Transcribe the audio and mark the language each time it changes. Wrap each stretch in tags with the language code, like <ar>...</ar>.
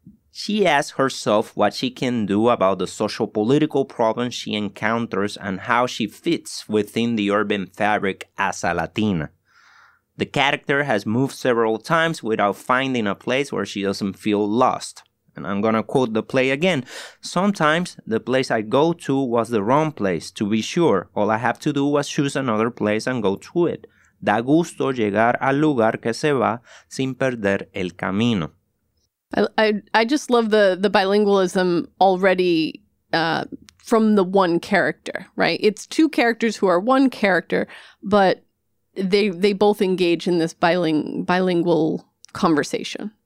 <en>She asks herself what she can do about the social-political problems she encounters and how she fits within the urban fabric as a Latina. The character has moved several times without finding a place where she doesn't feel lost. And I'm gonna quote the play again. Sometimes the place I go to was the wrong place, to be sure. All I have to do was choose another place and go to it.</en> <es>Da gusto llegar al lugar que se va sin perder el camino.</es> <en>I just love the bilingualism already from the one character, right? It's two characters who are one character, but they both engage in this bilingual conversation.</en>